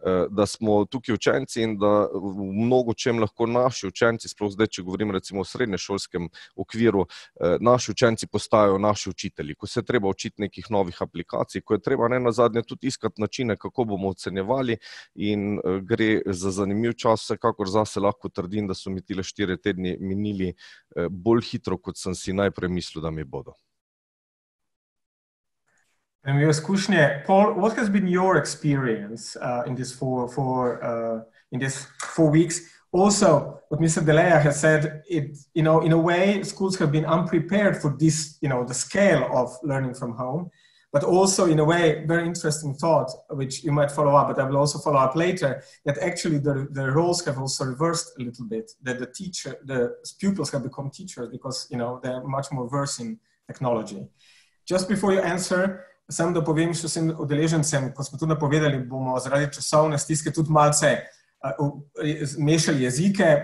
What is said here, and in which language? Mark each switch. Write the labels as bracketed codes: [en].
[sl] da smo tukaj učenci in da v mnogo čem lahko naši učenci, sploh zdaj, če govorim recimo o srednješolskem okviru, naši učenci postajajo naši učitelji, ko se je treba učiti nekih novih aplikacij, ko je treba ne nazadnje tudi iskati načine, kako bomo ocenjevali in gre za zanimiv čas, vsekakor zase lahko trdim, da so mi tile 4 tedni minili bolj hitro, kot sem si najprej mislil, da mi bodo. [en] In your skušnje, Paul, what has been your experience in this four weeks? Also, what Mr. Delea has said, it, you know, in a way, schools have been unprepared for this, you know, the scale of learning from home, but also in a way, very interesting thought, which you might follow up, but I will also follow up later, that actually the roles have also reversed a little bit, that the teacher, the pupils have become teachers because, you know, they're much more versed in technology. Just before you answer, [sl] sem da povem še vsem udeležencem, ko smo tudi napovedali, bomo zaradi časovne stiske tudi malce mešali jezike.